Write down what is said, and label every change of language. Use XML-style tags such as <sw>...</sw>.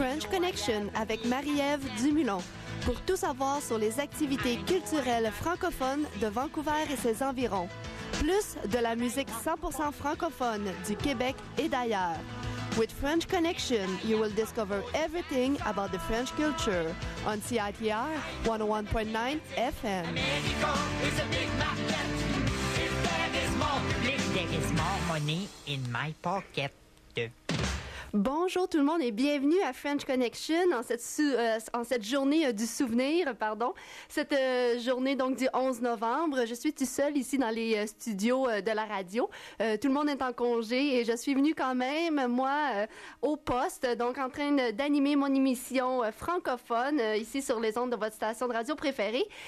<fr>Connection avec Marie-Ève Dumulon pour tout savoir sur les activités culturelles francophones de Vancouver et ses environs. Plus de la musique 100% francophone du Québec et d'ailleurs.</fr> <en>With French Connection, you will discover everything about the French culture on CITR 101.9 FM.</en> <fr>Bonjour tout le monde et bienvenue à French Connection en cette journée du souvenir. Cette journée donc du 11 novembre. Je suis tout seule ici dans les studios de la radio. Tout le monde est en congé et je suis venue quand même, moi, au poste, donc en train d'animer mon émission francophone ici sur les ondes de votre station de radio préférée.</fr>